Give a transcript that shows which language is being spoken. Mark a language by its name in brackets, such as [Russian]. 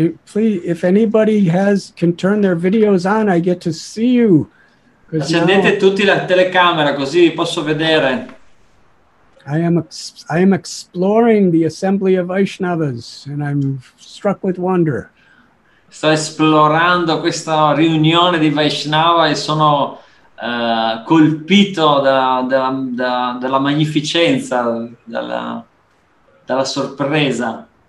[English] Please, if anybody can turn their videos on, I get to see you. [Italian] Accendete tutti la telecamera così vi posso vedere. [English] I am exploring the assembly of Vaishnavas and I'm struck with wonder. [Italian] Sto esplorando questa riunione di Vaishnava e sono colpito dalla magnificenza, dalla sorpresa.